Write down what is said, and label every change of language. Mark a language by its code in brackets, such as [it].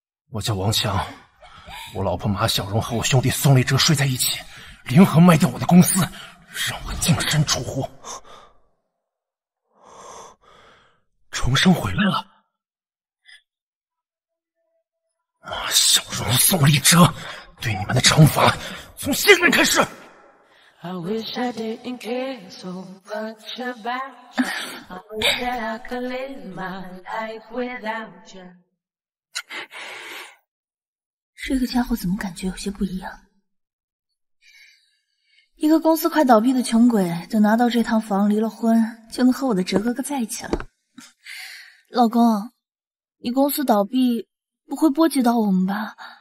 [zh] 我叫王强，我老婆马小荣和我兄弟宋立哲睡在一起，联合卖掉我的公司，让我净身出户，重生回来了。马小荣、宋立哲，对你们的惩罚，从现在开始。 [en] I wish I didn't care so much about you. I wish that I could live my life without you. [zh] 这个家伙怎么感觉有些不一样？一个公司快倒闭的穷鬼，等拿到这套房，离了婚，就能和我的哲哥哥在一起了。老公，你公司倒闭不会波及到我们吧？